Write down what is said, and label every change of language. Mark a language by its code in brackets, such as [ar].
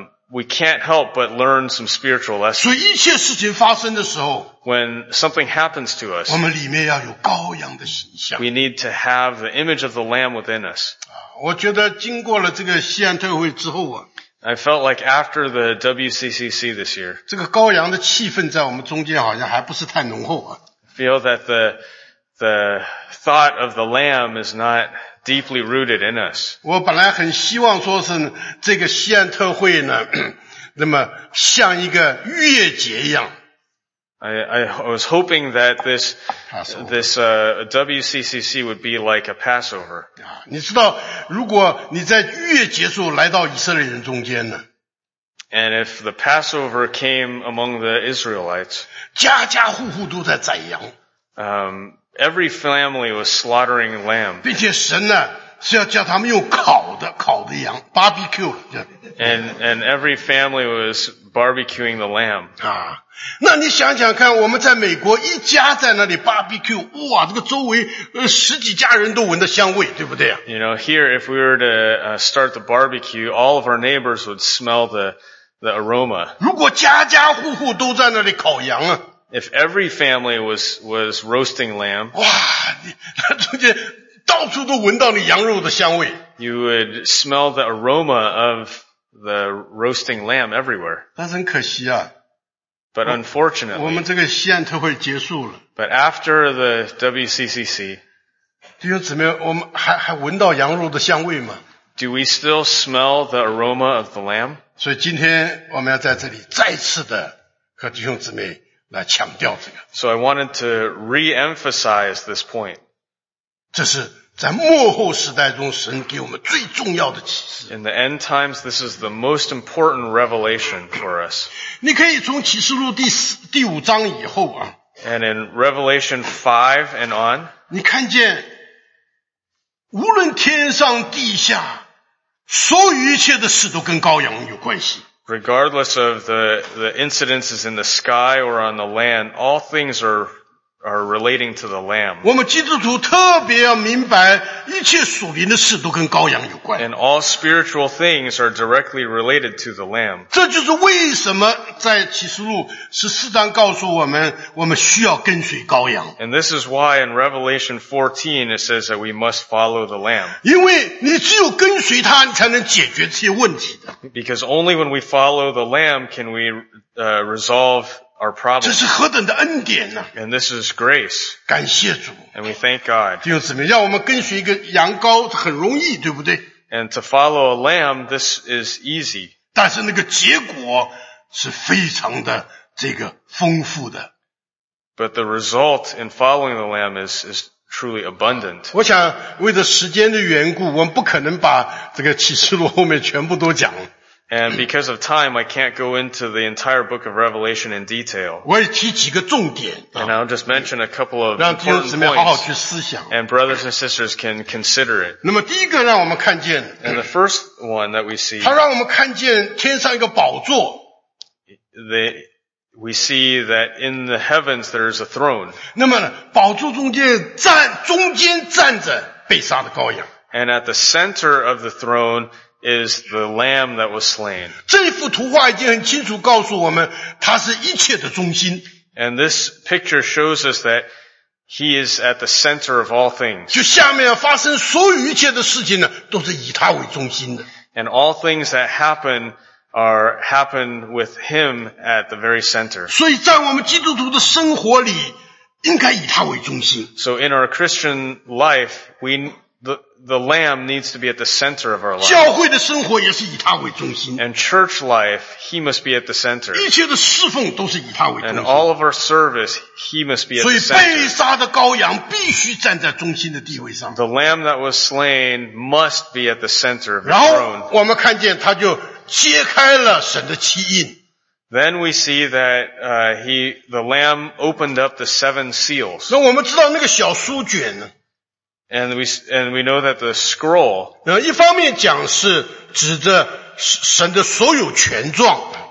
[en] We can't help but learn some spiritual lessons. [zh] 所以一切事情发生的时候。 [en] When something happens to us, [zh] 我们里面要有羔羊的形象。 [en] We need to have the image of the lamb within us. [zh] 我觉得经过了这个西安特会之后啊。 [en] I felt like after the WCCC this year, [zh] 这个羔羊的气氛在我们中间好像还不是太浓厚啊。 [en] Feel that the thought of the lamb is not deeply rooted in us. [zh] 我本来很希望说是这个西安特会呢，那么像一个月节一样。 [en] I was hoping that this WCCC would be like a Passover. [zh] 你知道，如果你在月结束来到以色列人中间呢 [en] ？And if the Passover came among the Israelites, [zh] 家家户户都在宰羊。 [en] Every family was slaughtering lamb. [zh] 并且神呢是要叫他们用烤的羊 ，barbecue。 [en] And every family was barbecuing the lamb. 啊。 [zh] 那你想想看，我们在美国一家在那里 barbecue， 哇，这个周围十几家人都闻到香味，对不对 [en] ？You know, here if we were to start the barbecue, all of our neighbors would smell the aroma. [zh] 如果家家户户都在那里烤羊啊 [en] ，If every family was roasting lamb， [zh] 哇，你中间到处都闻到你羊肉的香味。 [en] You would smell the aroma of the roasting lamb everywhere. [zh] 但是很可惜啊。 [en] But unfortunately, [zh] 我们这个西安特会结束了。 [en] But after the WCCC, [zh] 弟兄姊妹，我们还闻到羊肉的香味吗 [en] ？Do we still smell the aroma of the lamb？ [zh] 所以今天我们要在这里再次的和弟兄姊妹来强调这个。 [en] So I wanted to re-emphasize this point. [zh] 这是在末后时代中神给我们最重要的启示。 [en] In the end times, this is the most important revelation for us. [zh] 你可以从启示录第五章以后啊。 [en] And in Revelation 5 and on. [zh] 你看见无论天上地下所有一切的事都跟羔羊有关系。 [en] Regardless of the incidences in the sky or on the land, all things are are relating to the Lamb. [zh] 我们基督徒特别要明白一切属灵的事都跟羔羊有关。 [en] And all spiritual things are directly related to the Lamb. [zh] 这就是为什么在启示录14章告诉我们我们需要跟随羔羊。 [en] And this is why in Revelation 14 it says that we must follow the Lamb. [zh] 因为你只有跟随他你才能解决这些问题的。 [en] Because only when we follow the Lamb can we, resolve our problem. [zh] 这是何等的恩典啊。 [en] And this is grace. [zh] 感谢主。 [en] And we thank God. [zh] 弟兄姊妹，让我们跟随一个羊羔很容易，对不对？ [en] And to follow a lamb, this is easy. [zh] 但是那个结果是非常的这个丰富的。 [en] But the result in following the lamb is truly abundant. [zh] 我想为了时间的缘故，我们不可能把这个启示录后面全部都讲。 [en] And because of time, I can't go into the entire book of Revelation in detail. [zh] 我也提几个重点。 [en] And I'll just mention a couple of important points. [zh] 让弟兄姊妹好好去思想。 [en] And brothers and sisters can consider it. [zh] 那么第一个让我们看见。 [en] And the first one that we see. [zh] 他让我们看见天上一个宝座。 [en] We see that in the heavens there is a throne. [zh] 那么宝座中间站着被杀的羔羊。 [en] And at the center of the throne,is the lamb that was slain. [zh] 这幅图画已经很清楚告诉我们他是一切的中心。 [en] And this picture shows us that he is at the center of all things. [zh] 就下面发生所有一切的事情呢都是以他为中心的。 [en] And all things that happen are happen with him at the very center. [zh] 所以在我们基督徒的生活里应该以他为中心。 [en] So in our Christian life, the lamb needs to be at the center of our life. [zh] 教会的生活也是以他为中心。 [en] And church life, he must be at the center. [zh] 一切的侍奉都是以他为中心。 [en] And all of our service, he must be at the center. [zh] 所以被杀的羔羊必须站在中心的地位上。 [en] The lamb that was slain must be at the center of the throne. [zh] 然后我们看见他就揭开了神的七印。 [en] Then we see that, the lamb opened up the seven seals. [zh] 那我们知道那个小书卷呢 [en] And we know that the scroll. [zh] 一方面讲是指着神的所有权状。